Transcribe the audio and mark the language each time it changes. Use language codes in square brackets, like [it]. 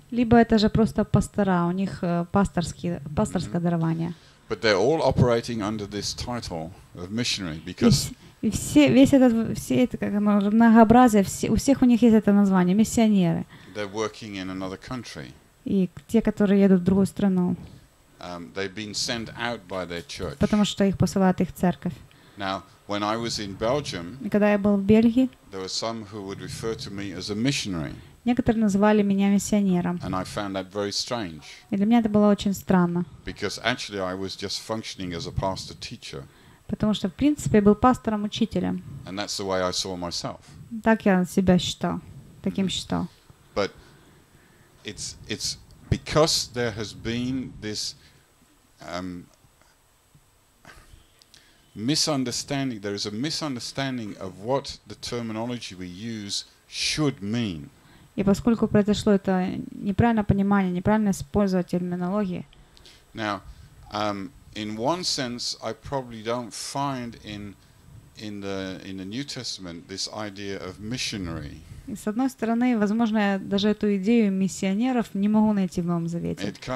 [ru] Либо это же просто пастора, у них пасторское mm-hmm. дарование. [en] But they're all operating under this title of missionary because [ru] и все, весь этот, все это как многообразие, все, у всех у них есть это название миссионеры. [en] They're working in another country. [ru] И те, которые едут в другую страну. [en] They've been sent out by their church. [ru] Потому что их посылает их церковь. [en] Now, when I was in Belgium, [ru] когда я был в Бельгии, [en] there were some who would refer to me as a missionary. [ru] Некоторые называли меня миссионером. [en] And I found that very strange. [ru] И для меня это было очень странно. [en] Because actually I was just functioning as a pastor teacher. [ru] Потому что в принципе я был пастором-учителем. [en] And that's the way I saw myself. [ru] Так я себя считал, таким считал. [en] But it's because there has been this misunderstanding, there is a misunderstanding of what the terminology we use should mean. [ru] И поскольку произошло это неправильное понимание, неправильное использование терминологии. [en] Now, in one sense, I probably don't find in the New Testament this idea of missionary. [ru] И с одной стороны, возможно, я даже эту идею миссионеров не могу найти в Новом Завете.